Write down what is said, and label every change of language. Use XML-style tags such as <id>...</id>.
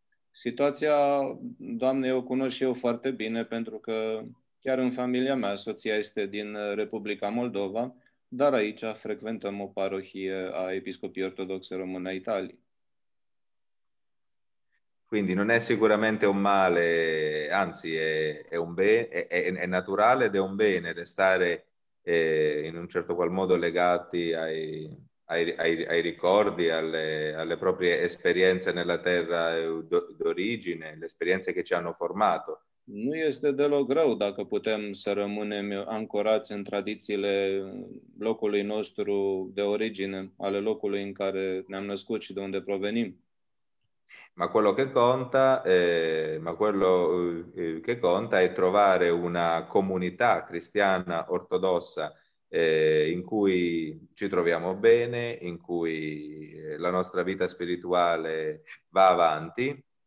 <ro>Situația, doamne, o cunosc eu foarte bine, pentru că chiar în familia mea, soția este din Republica Moldova, dar aici frecventăm o parohie a Episcopiei Ortodoxe Române a Italiei.</ro> <it>Quindi non è sicuramente un male, anzi è un bene, è naturale ed è un bene restare in un certo qual modo legati ai ricordi, alle proprie esperienze nella terra d'origine, le esperienze che ci hanno formato.</it> <ro>Nu este deloc rău dacă putem să rămânem ancorați în tradițiile locului nostru de origine, ale locului în care ne-am născut și de unde provenim.</ro> <it>Ma quello che conta, ma quello che conta è trovare una comunità cristiana ortodossa in cui ci troviamo bene, in cui la nostra vita spirituale va avanti.</it>